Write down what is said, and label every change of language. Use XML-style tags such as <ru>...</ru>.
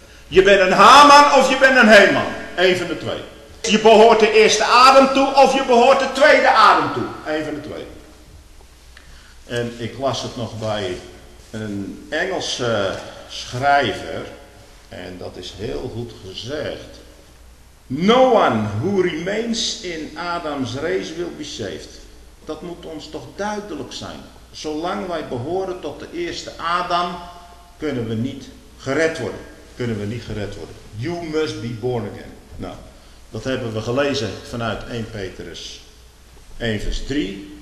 <nl>Je bent een Haman of je bent een Heman. Een van de twee. Je behoort de eerste adem toe of je behoort de tweede adem toe. Een van de twee. En ik las het nog bij een Engelse schrijver. En dat is heel goed gezegd.</nl> <en>No one who remains in Adam's race will be saved.</en> <nl>Dat moet ons toch duidelijk zijn. Zolang wij behoren tot de eerste adem, kunnen we niet gered worden. Kunnen we niet gered worden.</nl> <en>You must be born again.</en> <nl>Nou, dat hebben we gelezen vanuit 1 Petrus 1 vers 3.</nl>